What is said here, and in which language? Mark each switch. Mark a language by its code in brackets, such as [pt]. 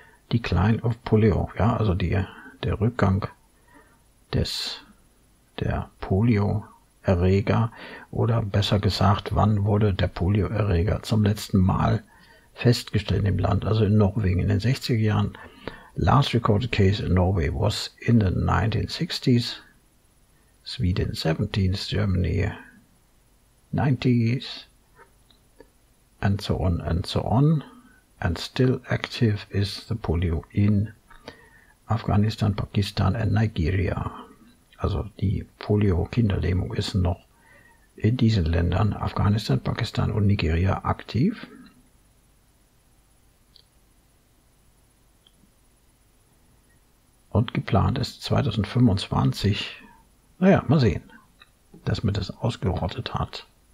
[en] Decline of Polio. [de] Ja, also der Rückgang der Polio-Erreger. Oder besser gesagt, wann wurde der Polio-Erreger zum letzten Mal festgestellt im Land, also in Norwegen in den 60er Jahren. [en] Last recorded case in Norway was in the 1960s. Sweden 70s, Germany 90s. And so on and so on. And still active is the polio in Afghanistan, Pakistan and Nigeria. [de] Also die Polio-Kinderlähmung ist noch in diesen Ländern, Afghanistan, Pakistan und Nigeria, aktiv. Und geplant ist 2025, naja, mal sehen, dass man das ausgerottet hat.